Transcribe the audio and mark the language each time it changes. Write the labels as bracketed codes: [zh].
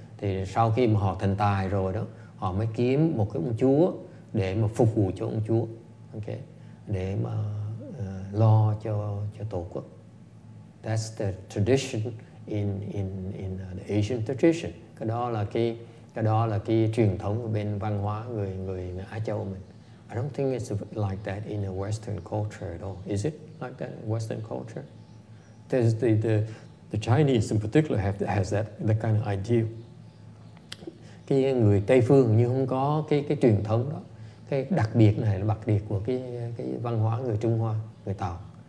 [vi] Thì sau khi mà họ thành tài rồi đó, họ mới kiếm một cái ông chúa để mà phục vụ cho ông chúa, okay, để mà lo cho tổ quốc. [en] That's the tradition in the Asian tradition. [vi] Cái đó là cái truyền thống bên văn hóa người Á Châu mình. [en] I don't think it's like that in a Western culture at all. Is it like that in Western culture? There's the Chinese in particular has that kind of ideal. [vi] Cái người Tây phương như không có cái truyền thống đó. Cái đặc biệt này là đặc biệt của cái văn hóa người Trung Hoa, người Tàu.